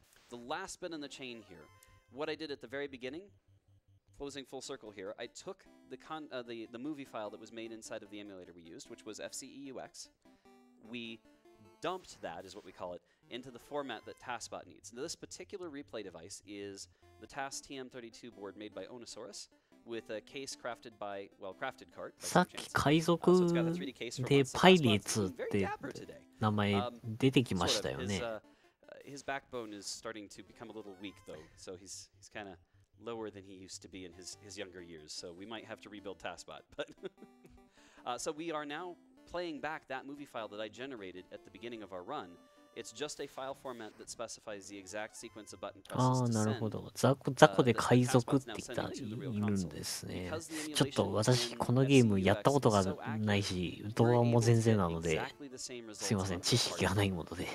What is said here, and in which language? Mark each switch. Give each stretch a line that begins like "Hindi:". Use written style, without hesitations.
English: The last bit in the chain here, what I did at the very beginning, closing full circle here, I took the movie file that was made inside of the emulator we used, which was FCEUX. We dumped that, is what we call it, into the format that TASBot needs. Now this particular replay device is the TAS TM32 board made by Onosaurus, with a case crafted by, well, crafted cart.
Japanese: さっき海賊でパイレーツって名前出てきましたよね。
English: His backbone is starting to become a little weak, though, so he's kind of lower than he used to be in his younger years, so we might have to rebuild TASBot. But so we are now playing back that movie file that I generated at the beginning of our run. It's just a file format that specifies the exact sequence of button presses.
Japanese: ああ、なるほど。ザコで海賊って言ったらいるんですね。ちょっと私、このゲームやったことがないし、動画も全然なので、すいません、知識がないもので。